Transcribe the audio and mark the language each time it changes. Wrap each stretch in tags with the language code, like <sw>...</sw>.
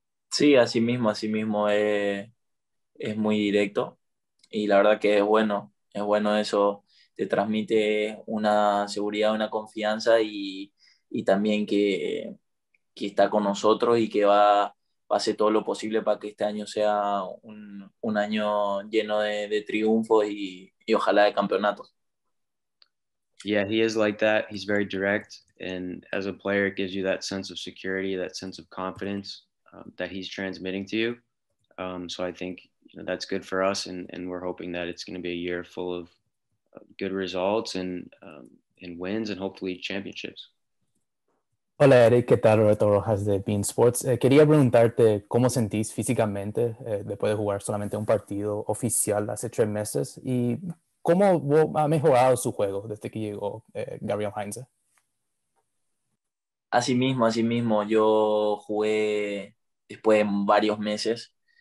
<es>Sí, así mismo es muy directo y la verdad que es bueno eso, te transmite una seguridad, una confianza y también que está con nosotros y que va a hacer todo lo posible para que este año sea un año lleno de triunfos y ojalá de campeonatos.</es> <en>Yeah, he is like that. He's very direct. And as a player, it gives you that sense of security, that sense of confidence that he's transmitting to you. So I think you know, that's good for us. And we're hoping that it's going to be a year full of good results and wins and hopefully championships.</en> <es>Hola, Eric. ¿Qué tal? Roberto Rojas de Bean Sports. Quería preguntarte cómo sentís físicamente después de jugar solamente un partido oficial hace 3 meses. Y cómo ha mejorado su juego desde que llegó Gabriel Heinz. Así mismo. Yo jugué después de varios meses.</es>